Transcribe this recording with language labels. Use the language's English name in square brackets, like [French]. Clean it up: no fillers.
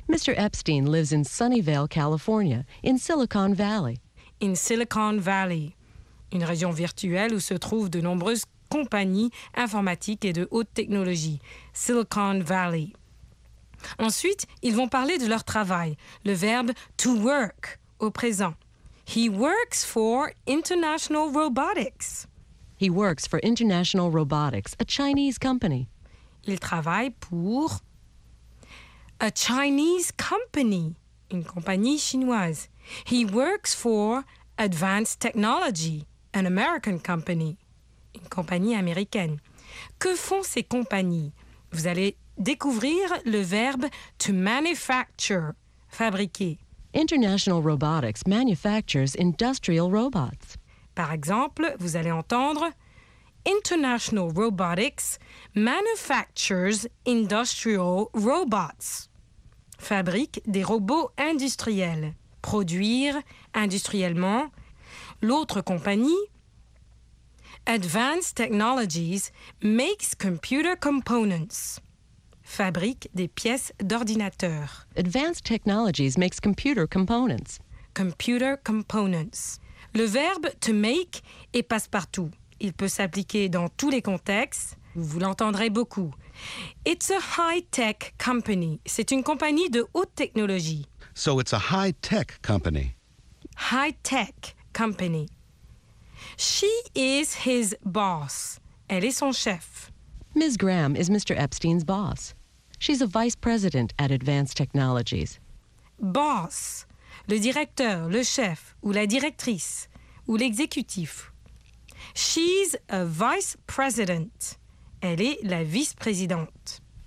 [English] « Mr. Epstein lives in Sunnyvale, California, in Silicon Valley ».« [French] In Silicon Valley », une région virtuelle où se trouvent de nombreuses compagnie informatique et de haute technologie, Silicon Valley. Ensuite, ils vont parler de leur travail, le verbe to work au présent. [English] He works for International Robotics. He works for International Robotics, a Chinese company. [French] Il travaille pour [English] a Chinese company, [French] une compagnie chinoise. [English] He works for Advanced Technology, an American company. [French] Une compagnie américaine. Que font ces compagnies? Vous allez découvrir le verbe to manufacture, fabriquer. [English] International Robotics manufactures industrial robots. [French] Par exemple, vous allez entendre [English] International Robotics manufactures industrial robots. [French] Fabrique des robots industriels. Produire industriellement. L'autre compagnie, [English] Advanced Technologies makes computer components. [French] Fabrique des pièces d'ordinateur. [English] Advanced Technologies makes computer components. Computer components. [French] Le verbe to make est passe-partout. Il peut s'appliquer dans tous les contextes. Vous l'entendrez beaucoup. [English] It's a high-tech company. [French] C'est une compagnie de haute technologie. [English] So it's a high-tech company. High-tech company. She is his boss. [French] Elle est son chef. [English] Ms. Graham is Mr. Epstein's boss. She's a vice president at Advanced Technologies. [French] Boss, le directeur, le chef, ou la directrice, ou l'exécutif. [English] She's a vice president. [French] Elle est la vice-présidente.